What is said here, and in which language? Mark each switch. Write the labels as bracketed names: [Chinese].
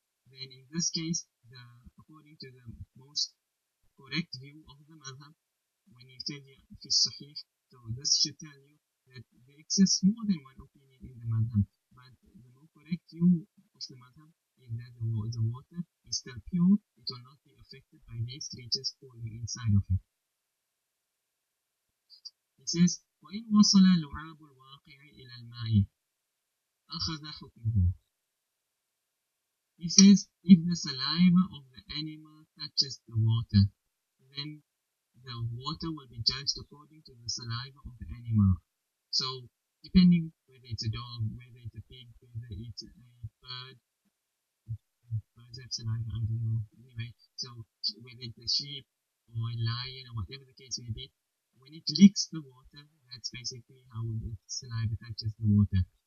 [English] Then in this case, according to the most correct view of the madhab, when you tell you fi sahih, so this should tell you that there exists more than one opinion in the madhab. But the more correct view of the madhab is that the water is still pure, it will not be affected by these creatures falling inside of it. [Arabic] It says, وَإِنْ وَصَلَ لُعَابُ الْوَاقِعِ إِلَى الْمَاءِ أَخَذَ حُكْمُهُ. [English] He says, if the saliva of the animal touches the water, then the water will be judged according to the saliva of the animal. So, depending whether it's a dog, whether it's a pig, whether it's a bird, birds have saliva, I don't know, anyway, so whether it's a sheep or a lion or whatever the case may be, when it licks the water, that's basically how the saliva touches the water.